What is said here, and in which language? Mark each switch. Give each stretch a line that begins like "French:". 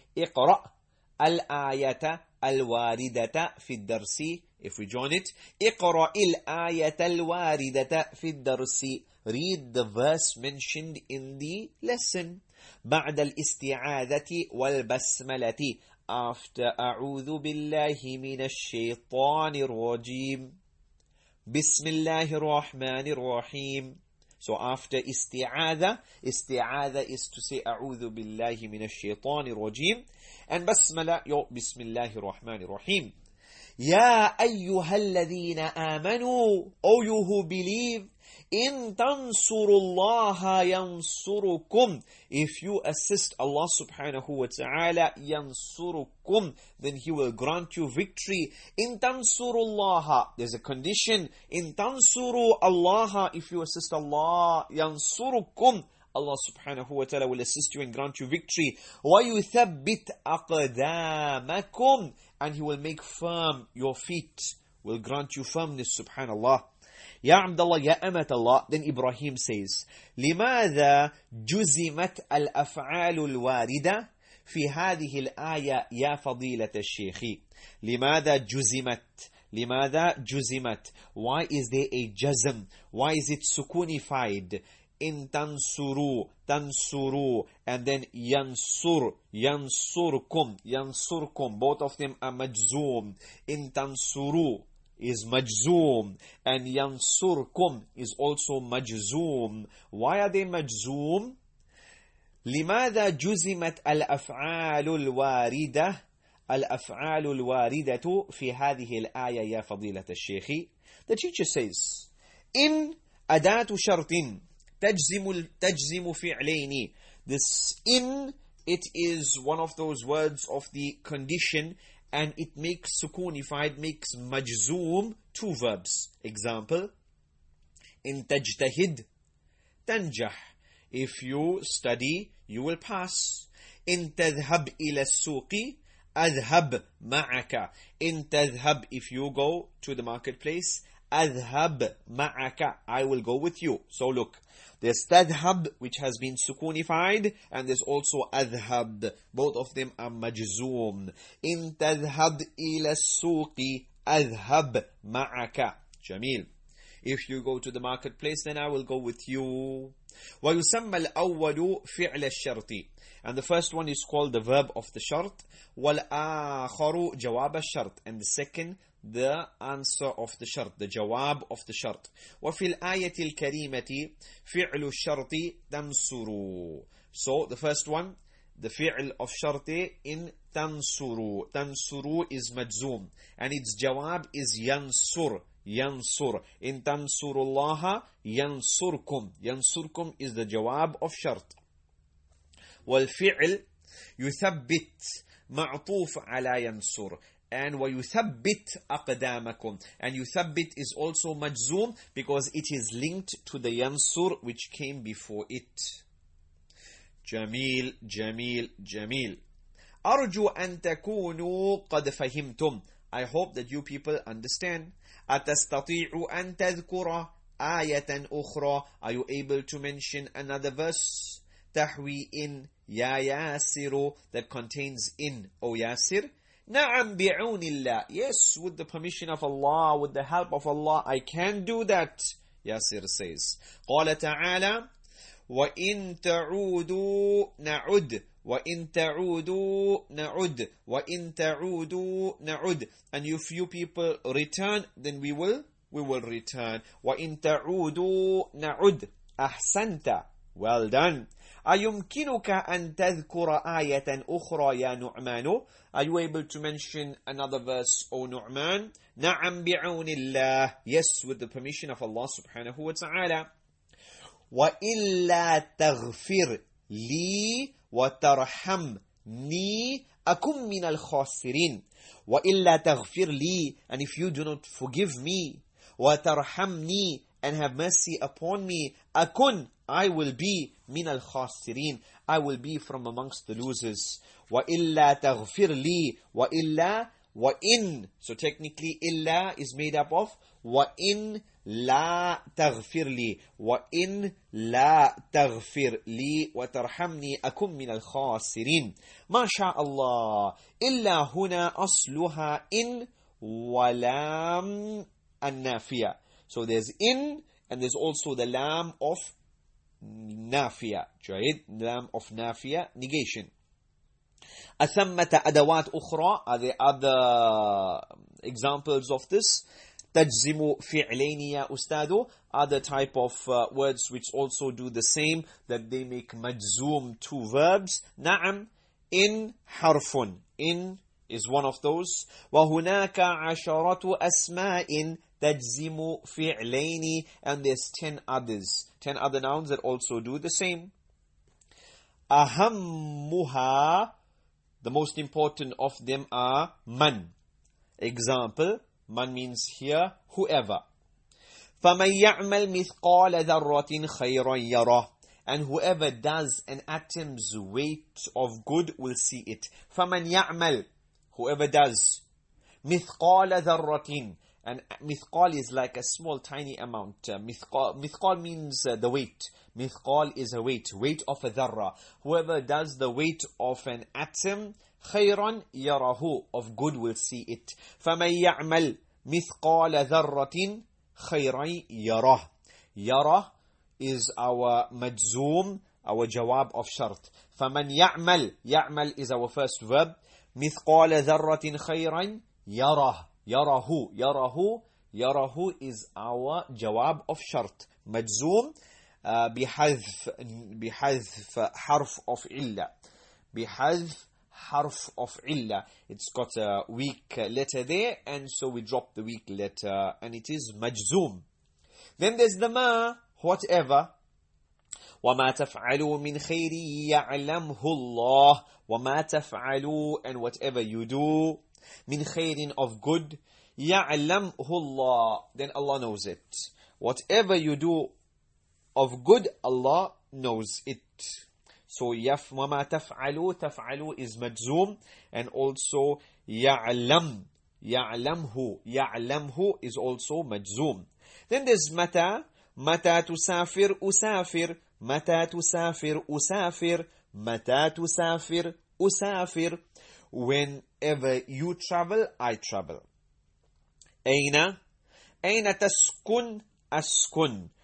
Arabic: اِقْرَأَ الْآيَةَ الواردة في الدرس.
English: If we join it,
Arabic: اقرأ الآية الواردة في الدرس.
English: Read the verse mentioned in the lesson.
Arabic: بعد الاستعاذة والبسملة.
English: After
Arabic: أعوذ بالله من الشيطان الرجيم. بسم الله الرحمن الرحيم.
English: So after
Arabic: استعاذة, استعاذة
English: is to say
Arabic: أعوذ بالله من الشيطان الرجيم. And basmala, yo, bismillahi rahmani rahim. Ya ayyuhalladhina amanu,
English: O you who believe,
Arabic: in tansurullaha yansurukum.
English: If you assist Allah subhanahu wa ta'ala, yansurukum, then He will grant you victory.
Arabic: In tansurullaha,
English: there's a condition.
Arabic: In tansuru Allaha,
English: if you assist Allah, yansurukum, Allah subhanahu wa ta'ala will assist you and grant you victory.
Arabic: وَيُثَبِّتْ أَقْدَامَكُمْ,
English: and He will make firm your feet, will grant you firmness, subhanallah.
Arabic: يَا عَبْدَ اللَّهِ يَا أَمَتَ اللَّهِ.
English: Then Ibrahim says,
Arabic: لِمَاذَا جُزِمَتْ الْأَفْعَالُ الْوَارِدَةِ فِي هَذِهِ الْآيَةِ يَا فَضِيلَةَ الشَّيْخِ. لِمَاذَا جُزِمَتْ, لِمَاذَا جُزِمَتْ,
English: why is there a jazm, why is it sukunified? In tansuru, tansuru, and then yansur, yansurkum, yansurkum, both of them are majzoom. In tansuru is majzoom, and yansurkum is also majzoom. Why are they majzoom?
Arabic: لِمَاذَا جُزِمَتْ الْأَفْعَالُ الْوَارِدَةُ الْأَفْعَالُ الْوَارِدَةُ فِي هَذِهِ الْآيَةِ يَا فَضِيلَةَ الشَّيْخِ.
English: The teacher says,
Arabic: إِنْ أَدَاتُ شَرْطٍ تجزم فعليني.
English: This in, it is one of those words of the condition, and it makes sukunified, makes majzoom, two verbs. Example, in
Arabic: تجتهد تنجح,
English: if you study, you will pass.
Arabic: In تذهب إلى السوق أذهب معك.
English: In تذهب, if you go to the marketplace,
Arabic: أذهب معك,
English: I will go with you. So look, there's تذهب, which has been sukunified, and there's also أذهب, both of them are مجزوم.
Arabic: إن تذهب إلى السوق أذهب معك. جميل.
English: If you go to the marketplace, then I will go with you.
Arabic: ويسمى الأول فعل الشرط,
English: and the first one is called the verb of the شرط.
Arabic: والآخر جواب الشرط,
English: and the second the answer of the shart, the jawab of the shart.
Arabic: وفي الآية الكريمة فعل الشرط تنصروا.
English: So the first one, the fi'l of sharti in tansuru. Tansuru is majzum. And its jawab is yansur. Yansur.
Arabic: In tansurullaha, yansurkum.
English: Yansurkum is the jawab of shart.
Arabic: Wal fi'l yuthabbit ma'tuf ala yansur.
English: And
Arabic: wa yuthabbit aqdamakum.
English: And yuthabbit is also majzum because it is linked to the yansur which came before it.
Arabic: جميل جميل جميل أرجو أن تكونوا قد فهمتم.
English: I hope that you people understand.
Arabic: أتستطيع أن تذكر آية أخرى.
English: Are you able to mention another verse?
Arabic: تحوي إن يا ياسر,
English: that contains
Arabic: إن أو ياسر. نعم بعون الله.
English: Yes, with the permission of Allah, with the help of Allah, I can do that, ياسر says.
Arabic: قال تعالى وَإِن تَعُودُوا نَعُدْ وَإِن تَعُودُوا نَعُدْ وَإِن تَعُودُوا نَعُدْ.
English: And if you people return, then we will return.
Arabic: وَإِن تَعُودُوا نَعُدْ. أَحْسَنْتَ.
English: Well done.
Arabic: أَيُمْكِنُكَ أَن تَذْكُرَ آيَةً أُخْرَى يَا نُعْمَانُ.
English: Are you able to mention another verse, O Nu'man?
Arabic: نَعَمْ بِعَوْنِ اللَّهِ.
English: Yes, with the permission of Allah subhanahu wa ta'ala.
Arabic: وَإِلَّا تَغْفِرْ لِي وَتَرْحَمْنِي أَكُمْ مِنَ الْخَاسِرِينَ. وَإِلَّا تَغْفِرْ لِي,
English: and if you do not forgive me, وَتَرْحَمْنِي, and have mercy upon me, أَكُنْ, I will be
Arabic: مِنَ الْخَاسِرِينَ,
English: I will be from amongst the losers.
Arabic: وَإِلَّا تَغْفِرْ لِي وَإِلَّا وَإِنْ.
English: So technically,
Arabic: إِلَّا
English: is made up of
Arabic: وَإِنْ لا تغفر لي وإن لا تغفر لي وترحمني أكون من الخاسرين. ما شاء الله. إلا هنا أصلها إن ولام النافية.
English: So there's إن and there's also the لام of نافية.
Arabic: جيد.
English: لام of نافية, negation.
Arabic: أثمة أدوات أخرى.
English: Are there other examples of this?
Arabic: تجزم فعلين يا أستاذ.
English: Other type of words which also do the same, that they make مجزوم two verbs.
Arabic: نعم. إن حرف.
English: إن is one of those.
Arabic: وهناك عشرة أسماء تجزم فعلين.
English: And there's 10 others. 10 other nouns that also do the same.
Arabic: أهمها.
English: The most important of them are من. Example. Man means here, whoever.
Arabic: فَمَنْ يَعْمَلْ مِثْقَالَ ذَرَّةٍ خَيْرًا يَرَهُ.
English: And whoever does an atom's weight of good will see it.
Arabic: فَمَنْ يَعْمَلْ,
English: whoever does,
Arabic: مِثْقَالَ ذَرَّةٍ.
English: And مِثْقَال is like a small tiny amount. مِثْقَال means the weight. مِثْقَال is a weight. Weight of a ذَرَّة. Whoever does the weight of an atom,
Arabic: خَيْرًا يَرَهُ,
English: of good will see it.
Arabic: فَمَنْ يَعْمَلْ مِثْقَالَ ذَرَّةٍ خَيْرًا يَرَهُ.
English: يَرَى is our مجزوم, our جواب of شرط.
Arabic: فَمَنْ يَعْمَلْ,
English: يَعْمَلْ is our first verb.
Arabic: مِثْقَالَ ذَرَّةٍ خَيْرًا يَرَهُ. يَرَهُ, يَرَهُ, يَرَهُ is our جواب of شرط. مجزوم بحذف حرف of إلا.
English: بحذف harf of illa. It's got a weak letter there, and so we drop the weak letter, and it is majzum. Then there's the ma, whatever.
Arabic: وَمَا تَفْعَلُوا مِنْ خَيْرٍ يَعْلَمْهُ اللَّهِ. وَمَا تَفْعَلُوا,
English: and whatever you do,
Arabic: مِنْ خَيْرٍ,
English: of good,
Arabic: يَعْلَمْهُ اللَّهِ,
English: then Allah knows it. Whatever you do of good, Allah knows it. So if وما تفعلوا, تفعلوا is مجزوم, and also يعلم, يعلمه, يعلمه is also مجزوم. Then there's متى.
Arabic: متى تسافر أسافر. متى تسافر أسافر. متى تسافر أسافر.
English: Whenever you travel, I travel.
Arabic: أين, أين تسكن أسكن.